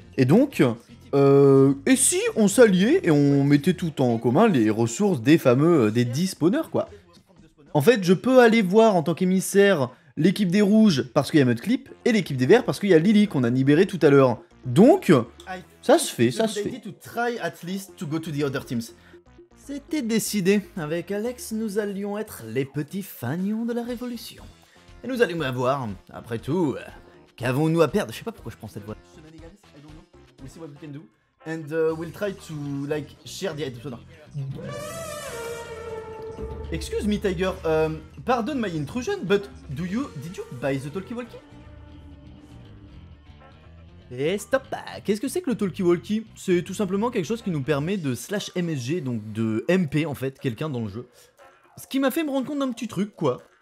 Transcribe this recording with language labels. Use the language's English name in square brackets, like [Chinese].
[French] Et donc, et si on s'alliait et on mettait tout en commun les ressources des fameux, des 10 spawners, quoi? En fait, je peux aller voir en tant qu'émissaire l'équipe des rouges parce qu'il y a Mudclip et l'équipe des verts parce qu'il y a Lily qu'on a libéré tout à l'heure. Donc, ça se fait, ça se fait. [English] To try at least to go to the other teams. [French] C'était décidé. Avec Alex, nous allions être les petits fanions de la révolution. Et nous allions avoir, après tout, qu'avons-nous à perdre? Je sais pas pourquoi je prends cette voix. [English] We'll see what we can do. And we'll try to, like, share the item. Excuse me, Tiger, pardon my intrusion, but did you buy the talkie-walkie? [French] Et stop! Qu'est-ce que c'est que le talkie-walkie? C'est tout simplement quelque chose qui nous permet de slash MSG, donc de MP en fait, quelqu'un dans le jeu. Ce qui m'a fait me rendre compte d'un petit truc, quoi.